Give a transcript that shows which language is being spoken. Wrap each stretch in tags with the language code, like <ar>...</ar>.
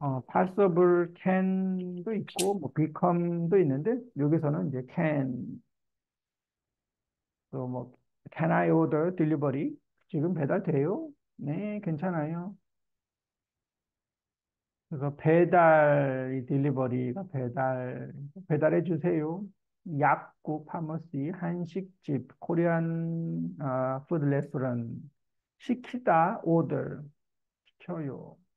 <ko>possible can도 있고 뭐 become도 있는데 여기서는 이제 can. 또뭐</ko> <en>can I order delivery?</en> <ko>지금 배달 돼요? 네, 괜찮아요. 그래서 배달 딜리버리가 배달해 주세요. 약국, 파머시, 한식집, 코리안 푸드 레스토랑 시키다 오더 시켜요.</ko>